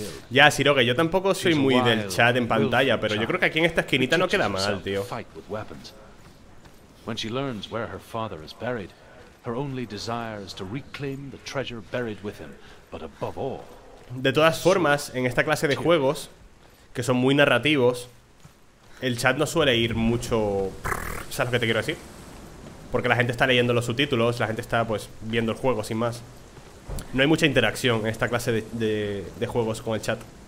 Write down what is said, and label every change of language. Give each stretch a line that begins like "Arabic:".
Spanish: Ya, Siroge, yo tampoco soy muy del chat en pantalla, pero yo creo que aquí en esta esquinita no queda mal, tío.
English: When she learns where her father is buried, her only desire is to reclaim the treasure buried with him, but above all.
Spanish: De todas formas, en esta clase de juegos que son muy narrativos, el chat no suele ir mucho. ¿Sabes lo que te quiero decir? Porque la gente está leyendo los subtítulos, la gente está, pues, viendo el juego, sin más. No hay mucha interacción en esta clase de juegos con el chat.